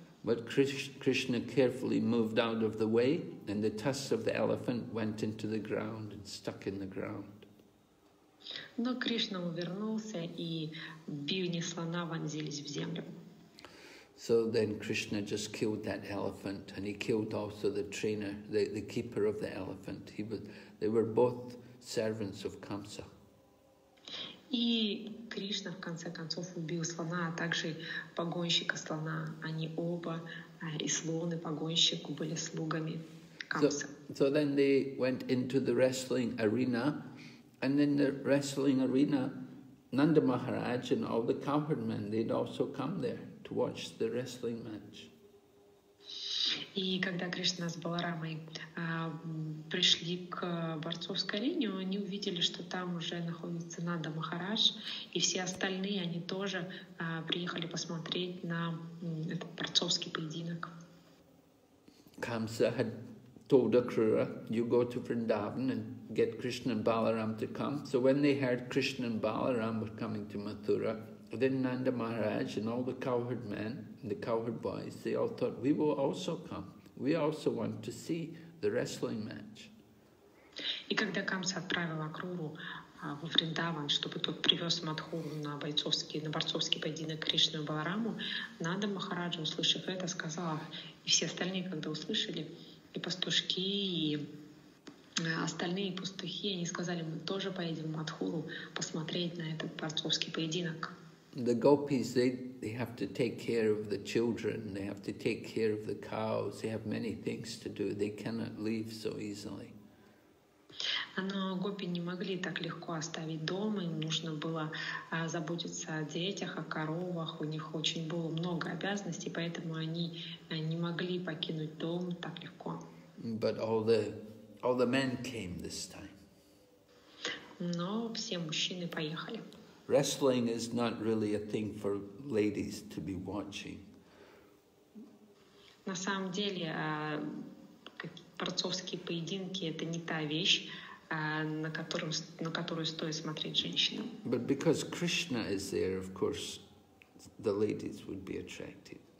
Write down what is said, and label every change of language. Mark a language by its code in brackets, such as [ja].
[en] But Krishna carefully moved out of the way, and the tusks of the elephant went into the ground and stuck in the ground. [ru] Но Кришна увернулся, и бивни слона вонзились в землю. [en] So then Krishna just killed that elephant, and he killed also the trainer, the keeper of the elephant. They were both servants of Kamsa. [ru] И Кришна в конце концов убил слона, а также погонщика слона. Они оба, и слон, и погонщик, были слугами Камса. [en] So then they went into the wrestling arena, and in the wrestling arena, Nanda Maharaj and all the cowherd men, they'd also come there to watch the wrestling match. [ru] И когда Кришна с Баларамой пришли к борцовской арене, они увидели, что там уже находится Нанда Махарадж, и все остальные, они тоже приехали посмотреть на этот борцовский поединок. [en] Камса had told Акрура, you go to Vrindavan and get Krishna and Balaram to come. So when they heard Krishna and Balaram were coming to Mathura, then Nanda Maharaj and all the cowherd men and the cowherd boys, they all thought, we will also come. We also want to see the wrestling match. [ru] И когда Камса отправил Акруру в Вриндаван, чтобы тот привез Мадхуру на борцовский поединок Кришну и Балараму, Нанда Махараджа, услышав это, сказала, и все остальные, когда услышали, и пастушки, и остальные пастухи, они сказали, мы тоже поедем в Мадхуру посмотреть на этот борцовский поединок. [en] The gopis, they have to take care of the children, they have to take care of the cows, they have many things to do, they cannot leave so easily. [ru] Но гопи не могли так легко оставить дом, им нужно было заботиться о детях, о коровах, у них очень было много обязанностей, поэтому они не могли покинуть дом так легко. [en] But all the men came this time. [ru] Но все мужчины поехали. [en] Wrestling is not really a thing for ladies to be watching. [ru] На самом деле, борцовские поединки — это не та вещь, на которую стоит смотреть женщинам. [en] But because Krishna is there, of course, the ladies would be attracted.